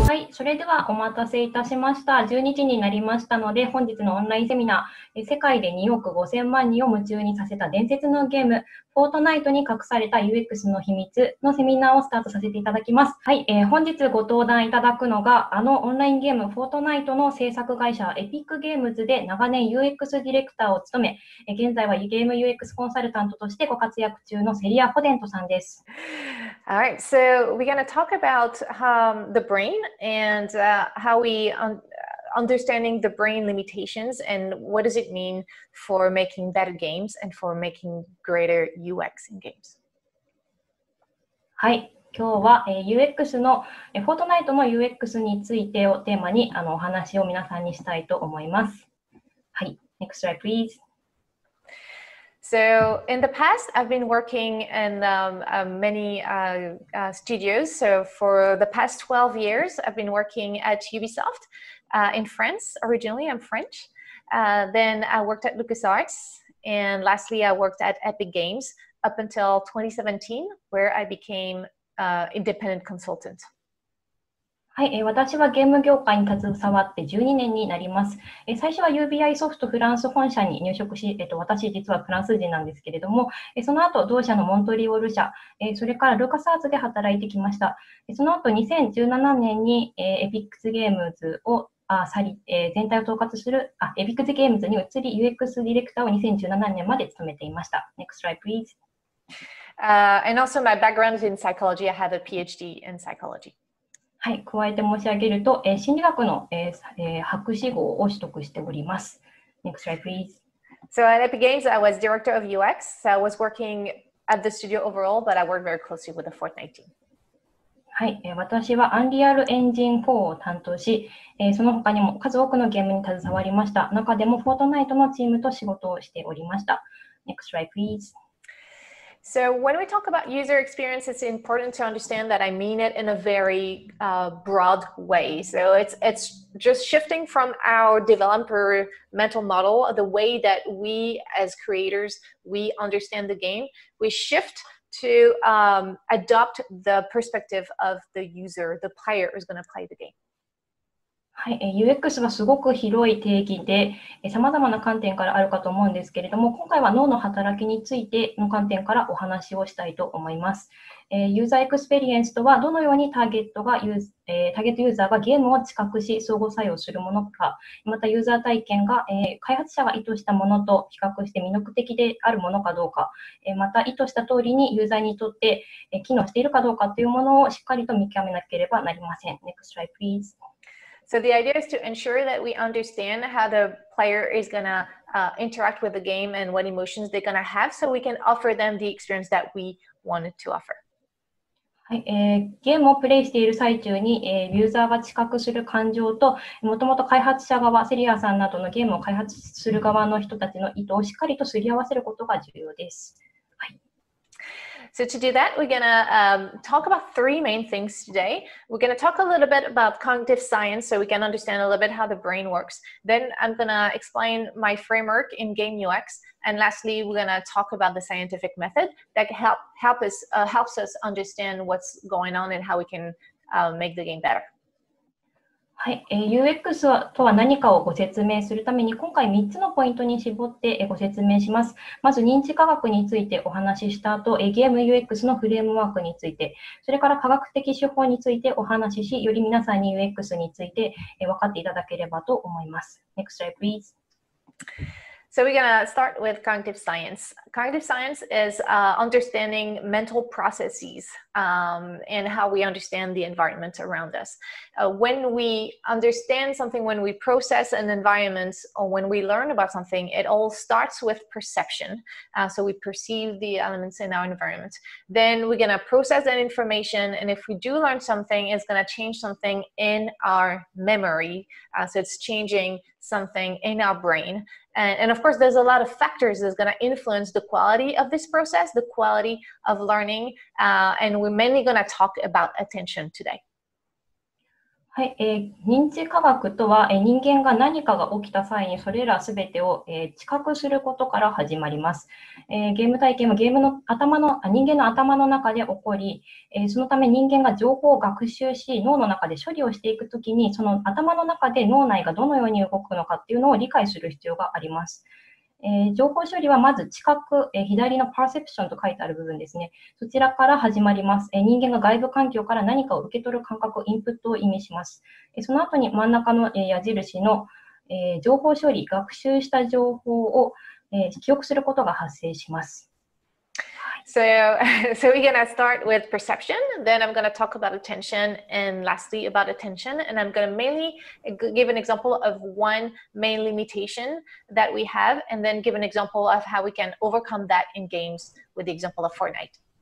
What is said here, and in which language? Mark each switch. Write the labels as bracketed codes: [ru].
[ja] それではお待たせいたしました。12時になりましたので、本日のオンラインセミナー、世界で2億5000万人を夢中にさせた伝説のゲーム、フォートナイトに隠された UX の秘密のセミナーをスタートさせていただきます。はい、本日ご登壇いただくのが、あのオンラインゲームフォートナイトの制作会社 Epic Games で長年 UX ディレクターを務め、現在はゲーム UX コンサルタントとしてご活躍中のセリア・ホデントさんです。 [en] Alright, so we're going to talk about the brain and how we understanding the brain limitations and what does it mean for making better games and for making greater UX in games. [ja] はい、今日は、UX のフォートナイトの UX についてをテーマにお話を皆さんにしたいと思います。 [en] はい、next slide please. So in the past, I've been working in many studios. So for the past 12 years, I've been working at Ubisoft in France. Originally, I'm French. Then I worked at LucasArts. And lastly, I worked at Epic Games up until 2017, where I became an independent consultant. [ja] はい、私はゲーム業界に携わって12年になります。最初は UBI ソフトフランス本社に入職し、私実はフランス人なんですけれども、その後同社のモントリオール社、それからルカスアーツで働いてきました。その後2017年に、Epic Games を全体を統括する、Epic Games に移り UX ディレクターを2017年まで務めていました。 [en] Next slide please. And also my background is in psychology. I have a PhD in psychology. [ja] はい、加えて申し上げると、心理学の、博士号を取得しております。 [en] Next slide, please. So at Epic Games, I was director of UX. So I was working at the studio overall, but I worked very closely with the Fortnite team. [ja] はい、私は Unreal Engine 4を担当し、その他にも数多くのゲームに携わりました。中でも Fortnite のチームと仕事をしておりました。 [en] Next slide, please. So when we talk about user experience, it's important to understand that I mean it in a very broad way. So it's just shifting from our developer mental model, the way that we as creators, we understand the game. We shift to adopt the perspective of the user, the player who's going to play the game. [ja] はい、UX はすごく広い定義で、さまざまな観点からあるかと思うんですけれども、今回は脳の働きについての観点からお話をしたいと思います。ユーザーエクスペリエンスとは、どのようにターゲットユーザーがゲームを知覚し、相互作用するものか、またユーザー体験が、開発者が意図したものと比較して魅力的であるものかどうか、また意図した通りにユーザーにとって、機能しているかどうかというものをしっかりと見極めなければなりません。 [en] Next slide, please. So the idea is to ensure that we understand how the player is going to interact with the game and what emotions they're going to have so we can offer them the experience that we wanted to offer. [ja] はい、ゲームをプレイしている最中に、ユーザーが知覚する感情と、もともと開発者側、セリアさんなどのゲームを開発する側の人たちの意図をしっかりとすり合わせることが重要です。 [en] So to do that, we're going to talk about three main things today. We're going to talk a little bit about cognitive science so we can understand a little bit how the brain works. Then I'm going to explain my framework in game UX. And lastly, we're going to talk about the scientific method that helps us understand what's going on and how we can make the game better. [ja] はい、UX とは何かをご説明するために今回3つのポイントに絞ってご説明します。まず認知科学についてお話しした後、ゲーム UX のフレームワークについて、それから科学的手法についてお話しし、より皆さんに UX について分かっていただければと思います。 [en] Next slide please. So we're gonna start with cognitive science. Cognitive science is understanding mental processesand how we understand the environment around us. When we understand something, when we process an environment, or when we learn about something, it all starts with perception. So we perceive the elements in our environment. Then we're going to process that information, and if we do learn something, it's going to change something in our memory. So it's changing something in our brain. And of course, there's a lot of factors that's going to influence the quality of this process, the quality of learning, and we're mainly going to talk about attention today. [ja] はい、認知科学とは、人間が何かが起きた際にそれらすべてを、知覚することから始まります。ゲーム体験はゲームの頭の、人間の頭の中で起こり、そのため人間が情報を学習し、脳の中で処理をしていくときに、その頭の中で脳内がどのように動くのかっていうのを理解する必要があります。情報処理はまず知覚、左のパーセプションと書いてある部分ですね。そちらから始まります。人間が外部環境から何かを受け取る感覚、インプットを意味します。その後に真ん中の、矢印の、情報処理、学習した情報を、記憶することが発生します。 [en] So we're going to start with perception, then I'm going to talk about attention, and lastly about attention, and I'm going to mainly give an example of one main limitation that we have, and then give an example of how we can overcome that in games with the example of Fortnite.